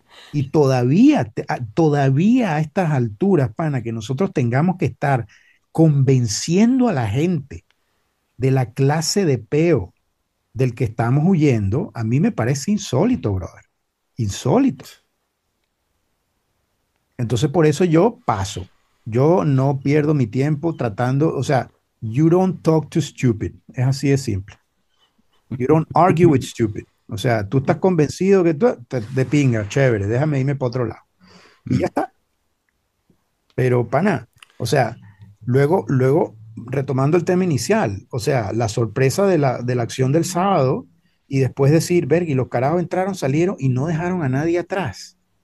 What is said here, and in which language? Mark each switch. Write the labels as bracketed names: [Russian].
[Spanish] Y todavía a estas alturas, pana, que nosotros tengamos que estar convenciendo a la gente de la clase de peo del que estamos huyendo, a mí me parece insólito, brother. Insólito. Entonces, por eso yo paso. Yo no pierdo mi tiempo tratando, o sea, [English] you don't talk to stupid. [Spanish] Es así de simple. [English] You don't argue with stupid. [Spanish] O sea, tú estás convencido que tú te de pinga, chévere, déjame irme para otro lado. Y ya está. Pero, pana, o sea, luego, retomando el tema inicial, o sea, la sorpresa de la acción del sábado y después decir, ver, y los carajos entraron, salieron y no dejaron a nadie atrás.